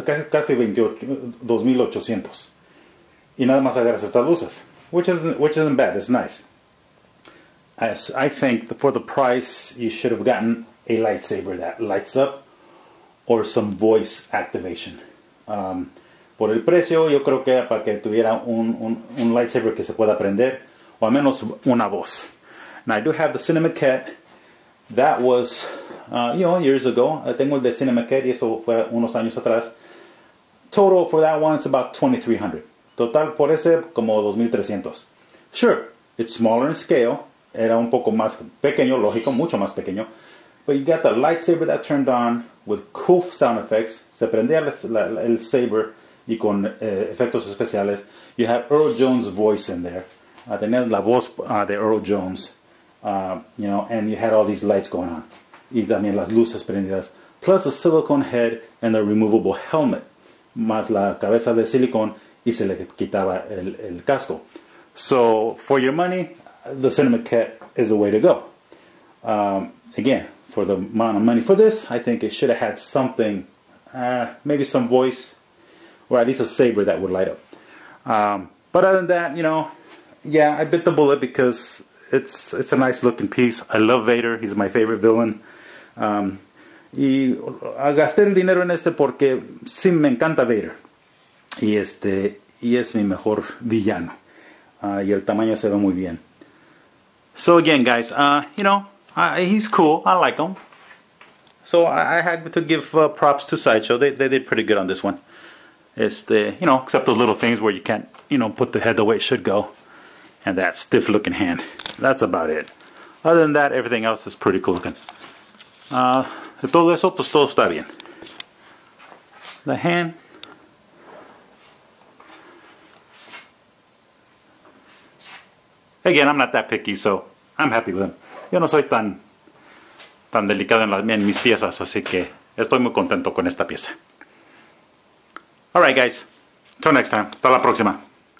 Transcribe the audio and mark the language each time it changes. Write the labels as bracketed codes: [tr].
[es] Casi 2,800, y nada más agarras estas luces, [en] which isn't bad. It's nice. As I think for the price, you should have gotten a lightsaber that lights up or some voice activation. [es] Por el precio, yo creo que era para que tuviera un lightsaber que se pueda prender, o al menos una voz. [en] Now, I do have the Cinemaket. That was, you know, years ago. [es] I tengo el de Cinemaket y eso fue unos años atrás. [en] Total for that one, it's about $2,300. [es] Total por ese, como $2,300. [en] Sure, it's smaller in scale. [es] Era un poco más pequeño, lógico, mucho más pequeño. [en] But you got the lightsaber that turned on with cool sound effects. [es] Se prendía el saber y con efectos especiales. [en] You had Earl Jones' voice in there. [es] Tenías la voz de Earl Jones. [en] You know, and you had all these lights going on. [es] Y también las luces prendidas. [en] Plus a silicone head and a removable helmet. [es] Más la cabeza de silicone y se le quitaba el casco. [en] So, for your money, the Cinemaket is the way to go. Again, for the amount of money for this, I think it should have had something, maybe some voice, or at least a saber that would light up. But other than that, you know, yeah, I bit the bullet because it's a nice looking piece. I love Vader. He's my favorite villain. [es] Y gasté el dinero en este porque sí me encanta Vader. Y es mi mejor villano. Y el tamaño se ve muy bien. [en] So again, guys, you know, he's cool. I like him. So I had to give props to Sideshow. They did pretty good on this one. Except those little things where you can't, you know, put the head the way it should go. And that stiff looking hand. That's about it. Other than that, everything else is pretty cool looking. [es] Todo eso pues todo está bien. [en] The hand. Again, I'm not that picky, so I'm happy with them. [es] Yo no soy tan delicado en mis piezas, así que estoy muy contento con esta pieza. [en] All right, guys. Till next time. [es] Hasta la próxima.